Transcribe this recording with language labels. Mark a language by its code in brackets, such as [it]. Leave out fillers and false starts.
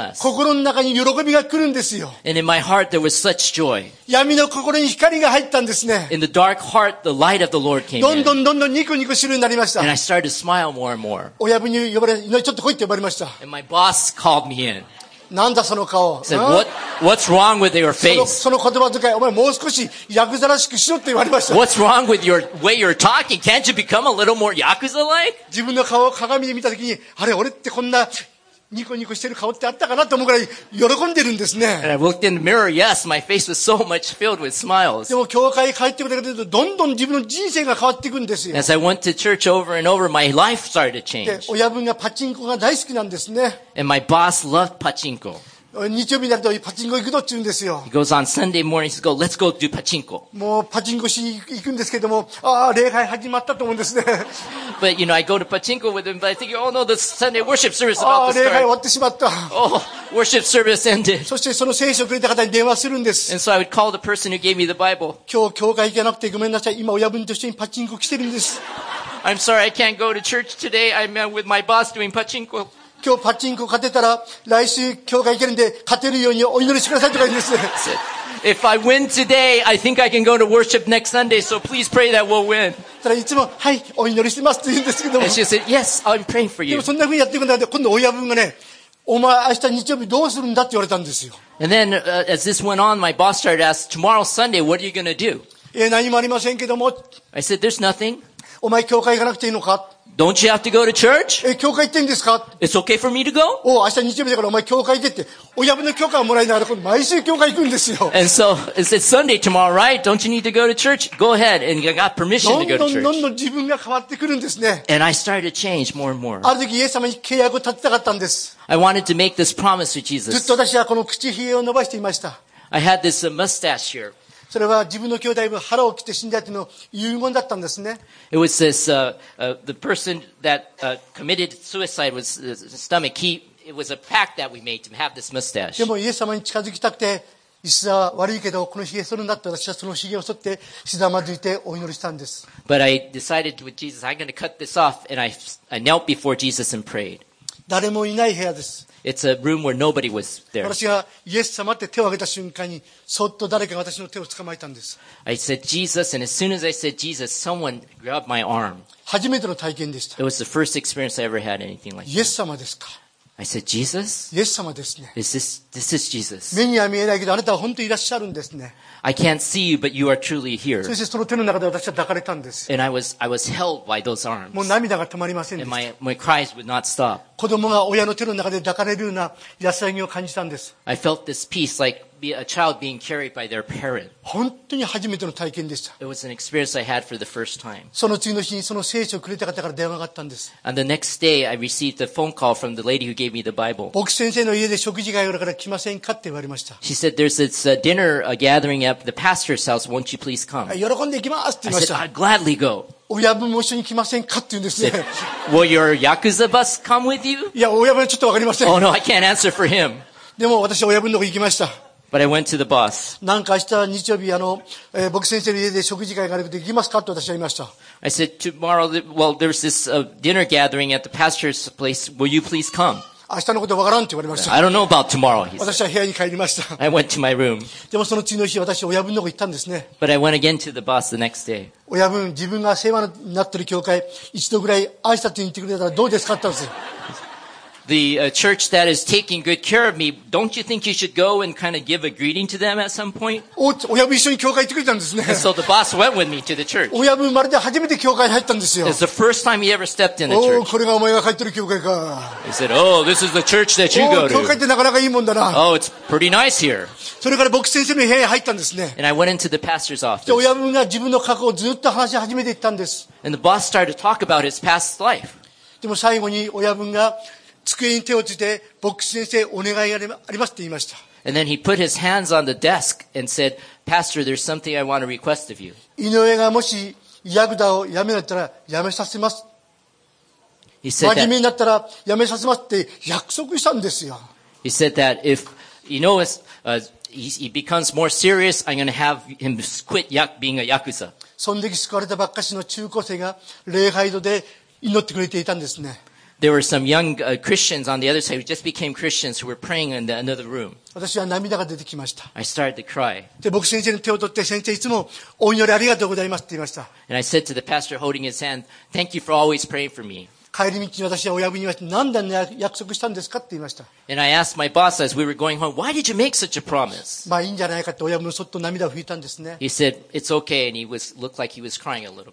[en] times a day, it started to get less and less. [ja] 心の中に喜びが来るんですよ。 [en] And in my heart, there was such joy. [ja] 闇の心に光が入ったんですね。 [en] In the dark heart, the light of the Lord came in. [ja] どんどんどんどんニコニコするようになりました。 [en] And I started to smile more and more. [ja] 親分に呼ばれ、ちょっと来いって呼ばれました。 [en] And my boss called me in. [ja] なんだその顔。 [en] Said, what's wrong with your face? [ja] その言葉遣い、お前もう少しヤクザらしくしろって言われました。 [en] What's wrong with your way you're talking? Can't you become a little more Yakuza-like? [ja] 自分の顔を鏡で見たときに、あれ俺ってこんなニコニコしてる顔ってあったかなと思うぐらい喜んでるんですね。 [en] And I looked in the mirror, yes, my face was so much filled with smiles. [ja] でも教会に帰ってくるだけでどんどん自分の人生が変わっていくんですよ。 [en] As I went to church over and over, my life started to change. [ja] で、親分がパチンコが大好きなんですね。 [en] And my boss loved pachinko. [ja] 日曜日になるとパチンコ行くのって言うんですよ。 [en] He goes on Sunday morning, he says, let's go do pachinko. [ja] もうパチンコし行くんですけども、ああ、礼拝始まったと思うんですね。 [en] But you know, I go to pachinko with him, but I think, oh no, the Sunday worship service is about to start. [ja] ああ、礼拝終わってしまった。 [en] Oh, worship service ended. [ja] そしてその聖書をくれた方に電話するんです。 [en] And so I would call the person who gave me the Bible. [ja] 今日教会行けなくてごめんなさい。今親分と一緒にパチンコ来てるんです。 [en] I'm sorry, I can't go to church today. I'm with my boss doing pachinko. [ja] 今日パチンコ勝てたら来週教会行けるんで勝てるようにお祈りしてくださいとか言うんです。 [en] If I win today, I think I can go to worship next Sunday. So please pray that we'll win. [ja] ただいつもはいお祈りしてますって言うんですけども。 [en] And she said, "Yes, I'm praying for you." [ja] でもそんな風にやっていくんだって今度親分がね、お前明日日曜日どうするんだって言われたんですよ。 [en] And then, as this went on, my boss started asking, "Tomorrow Sunday, what are you going to do?" [ja] え、何もありませんけども。 [en] I said, "There's nothing." [ja] お前教会行かなくていいのか。 [en] Don't you have to go to church? [ja] 教会行ってんですか? [en] It's okay for me to go? [ja] おう、明日日曜日だからお前教会行ってって、親分の許可をもらいながら毎週教会行くんですよ。 [en] And so, it's Sunday tomorrow, right? Don't you need to go to church? Go ahead. And I got permission to go to church. [ja] どんどんどんどん自分が変わってくるんですね。 [en] And I started to change more and more. [ja] ある時、イエス様に契約を立てたかったんです。 [en] I wanted to make this promise to Jesus. [ja] ずっと私はこの口ひげを伸ばしていました。 [en] I had this mustache here. [ja] それは自分の兄弟分腹を切って死んだというの遺言だったんですね。 [en] It was this, the person that, committed suicide was, stomach. It was a pact that we made to have this mustache. [ja] でもイエス様に近づきたくて、イエスは悪いけどこのひげ剃るんだって私はそのひげを剃ってひざまずいてお祈りしたんです。 [en] But I decided with Jesus, I'm going to cut this off, and I knelt before Jesus and prayed. [ja] 誰もいない部屋です。 [en] It's a room where nobody was there. [ja] 私がイエス様って手を挙げた瞬間にそっと誰かが私の手を捕まえたんです。 [en] I said Jesus, and as soon as I said Jesus, someone grabbed my arm. [ja] 初めての体験でした。 [en] It was the first experience I ever had anything like that. [ja] イエス様ですか。 [en] I said Jesus. [ja] イエス様ですね。 [en] This is Jesus. [ja] 目には見えないけどあなたは本当にいらっしゃるんですね。 [en] I can't see you, but you are truly here. [ja] そしてその手の中で私は抱かれたんです。 [en] And I was held by those arms. [ja] もう涙が止まりませんでした。 [en] And my cries would not stop. [ja] 子供が親の手の中で抱かれるような安らぎを感じたんです。 [en] I felt this peace like a child being carried by their parent. [ja] 本当に初めての体験でした。 [en] It was an experience I had for the first time. [ja] その次の日にその聖書をくれた方から電話があったんです。 [en] And the next day, I received a phone call from the lady who gave me the Bible. [ja] 牧師先生の家で食事会があるから来ませんかって言われました。 [en] She said, there's this dinner gathering at the pastor's house. Won't you please come? [ja] 喜んで行きますって言いました。 [en] I said, I'd gladly go. [ja] 親分も一緒に来ませんかって言うんですね。 [en] Will your Yakuza bus come with you? [ja] いや、親分ちょっとわかりません。 [en] Oh no, I can't answer for him. [ja] でも私は親分のとこ行きました。 [en] But I went to the boss. [ja] なんか明日日曜日牧師先生の家で食事会があるので行きますかと私は言いました。 [en] I said, tomorrow, well, there's this dinner gathering at the pastor's place. Will you please come? [ja] 明日のことわからんって言われました。 [en] I don't know about tomorrow, [ja] 私は部屋に帰りました。 [en] I went to my room. [ja] でもその次の日、私は親分のとこ行ったんですね。 [en] But I went again to the boss the next day. [ja] 親分、自分が世話になってる教会、一度ぐらい挨拶に行ってくれたらどうですかって言ったんです。 [en] The church that is taking good care of me, don't you think you should go and kind of give a greeting to them at some point? [ja] 親分一緒に教会行ってくれたんですね。 [en] So the boss went with me to the church. [ja] 親分、まるで初めて教会に入ったんですよ。 [en] It's the first time he ever stepped in a church. [ja] これがお前が帰ってる教会か。 [en] He said, oh, this is the church that you go to. [ja] 教会ってなかなかいいもんだな。 [en] Oh, it's pretty nice here. [ja] それから牧師先生の部屋に入ったんですね。 [en] And I went into the pastor's office. [ja] 親分が自分の過去をずっと話し始めていったんです。 [en] And the boss started to talk about his past life. [ja] でも最後に親分が机に手をついて牧師先生お願いありますって言いました。 [en] And then he put his hands on the desk and said, Pastor, there's something I want to request of you. [ja] 井上がもしヤクザを辞めなったら辞めさせます。 [en] He said [ja] 真面目になったら辞めさせますって約束したんですよ。 [en] He said that if he becomes more serious, I'm going to have him quit being a Yakuza. [ja] そんで救われたばっかしの中高生が礼拝堂で祈ってくれていたんですね。 [en] There were some young Christians on the other side who just became Christians who were praying in another room. [ja] 私は涙が出てきました。 [en] I started to cry. [ja] で、牧師先生の手を取って、先生いつもお祈りありがとうございますって言いました。 [en] And I said to the pastor holding his hand, thank you for always praying for me. [ja] 帰り道に私は親分に言いました。何だね、約束したんですかって言いました。 [en] And I asked my boss as we were going home, why did you make such a promise? [ja] まあいいんじゃないかって親分もそっと涙を拭いたんですね。 [en] He said, it's okay, and looked like he was crying a little bit.